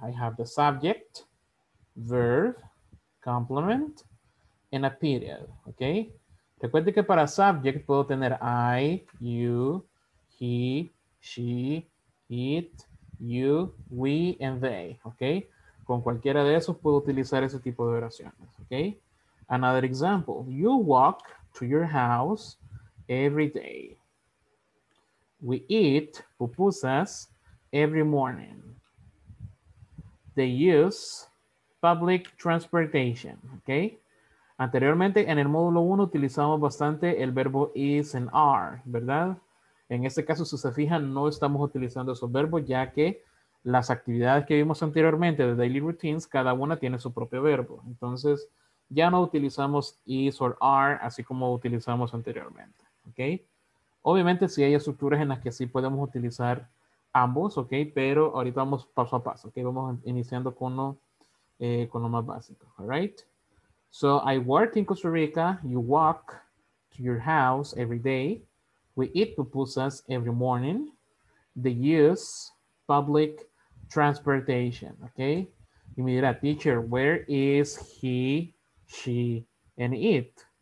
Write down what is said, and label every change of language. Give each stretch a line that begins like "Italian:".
English: I have the subject, verb, complement, and a period, ¿ok?
Spanish: Recuerde que para subject puedo tener
English: I, you, he, she, it, you, we, and they,
Spanish: ¿ok? Con cualquiera de esos puedo utilizar ese tipo de oraciones, ¿ok?
English: Another example, you walk to your house every day. We eat pupusas every morning. They use public transportation, ¿ok?
Spanish: Anteriormente, en el módulo 1, utilizamos bastante el verbo is and are, ¿verdad? En este caso, si se fijan, no estamos utilizando esos verbos, ya que las actividades que vimos anteriormente de Daily Routines, cada una tiene su propio verbo. Entonces, ya no utilizamos is or are, así como utilizamos anteriormente, ¿ok? Obviamente, sí hay estructuras en las que sí podemos utilizar ambos, ¿ok? Pero ahorita vamos paso a paso, ¿ok? Vamos iniciando con lo más básico,
English: ¿all right? So, I work in Costa Rica, you walk to your house every day, we eat pupusas every morning, they use public transportation, okay?
Spanish: Y me dirá, teacher,
English: where is he, she, and it?